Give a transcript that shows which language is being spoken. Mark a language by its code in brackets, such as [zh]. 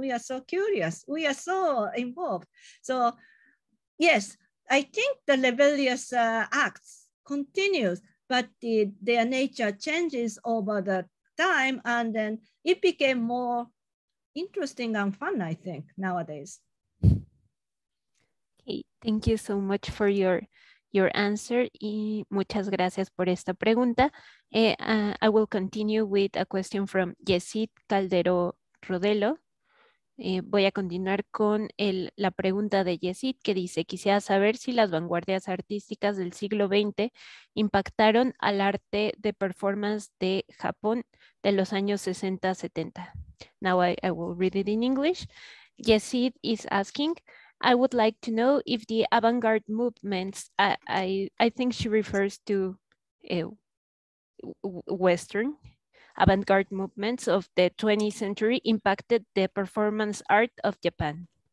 [en] We are so curious. We are so involved. So, yes, I think the rebellious acts continues, but their nature changes over the time, and then it became more interesting and fun, I think, nowadays. Okay, thank you so much for your answer, [es] y muchas gracias por esta pregunta. [en] I will continue with a question from Yesid Caldero Rodelo. [es] Voy a continuar con la pregunta de Yesid, que dice: quisiera saber si las vanguardias artísticas del siglo XX impactaron al arte de performance de Japón de los años 60-70. [en] Now I will read it in English. Yesid is asking, I would like to know if the avant-garde movements, I think she refers to Western avant-garde movements of the 20th century impacted the performance art of Japan.